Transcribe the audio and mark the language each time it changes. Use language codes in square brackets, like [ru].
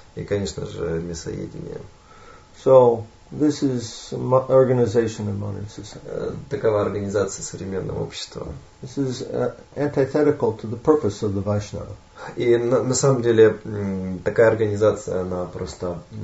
[ru] И, конечно же, мясоедение. [en] So, this is organization of modern society. [ru] Такова организация современного общества. [en] This is antithetical to the purpose of the Vaishnava. [ru] И на самом деле такая организация, она просто